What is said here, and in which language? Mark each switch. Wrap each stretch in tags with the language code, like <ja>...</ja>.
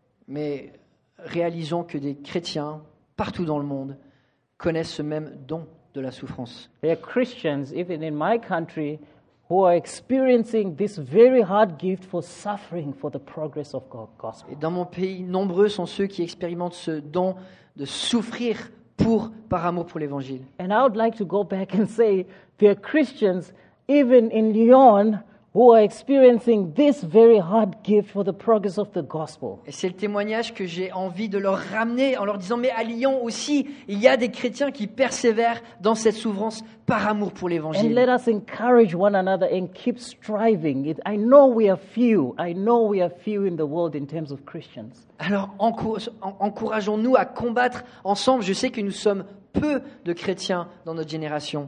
<fr>Mais réalisons que des chrétiens partout dans le monde connaissent ce même don. De la souffrance.</fr> <en>There are Christians, even in my country, who are experiencing this very hard gift for suffering for the progress of God's gospel.</en> <fr>Et dans mon pays, nombreux sont ceux qui expérimentent ce don de souffrir par amour pour l'Évangile.</fr> <en>And I would like to go back and say there are Christians, even in Lyon, who are experiencing this very hard gift for the progress of the gospel.</en> <fr>Et c'est le témoignage que j'ai envie de leur ramener en leur disant, mais à Lyon aussi, il y a des chrétiens qui persévèrent dans cette souffrance par amour pour l'Évangile.</fr> <en>And let us encourage one another and keep striving. I know we are few. I know we are few in the world in terms of Christians.</en> <fr>Alors encourageons-nous à combattre ensemble. Je sais que nous sommes peu de chrétiens dans notre génération.</fr>